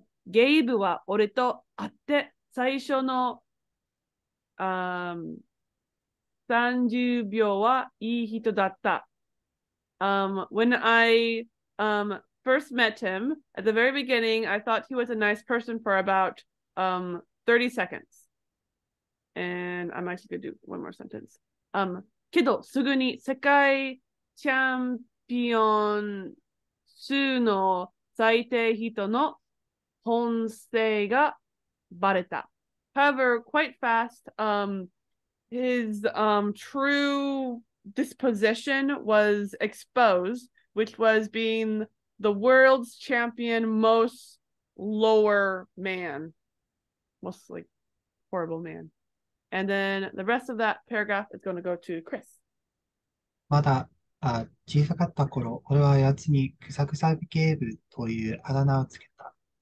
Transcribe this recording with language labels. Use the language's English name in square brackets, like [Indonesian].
[Japanese] Gabe は俺と会って最初の30秒はいい人だった。 [English] When I first met him, at the very beginning, I thought he was a nice person for about 30 seconds. And I'm actually going to do one more sentence. [Japanese] けどすぐに世界チャンピオン数の最低人の本性がバレた。 [English] However, quite fast, his true disposition was exposed, which was being the world's champion most lower man. Most, like, horrible man. And then the rest of that paragraph is going to go to Chris. [Japanese] まだ小さかった頃、俺はやつにクサクサゲーブというあだ名をつけた。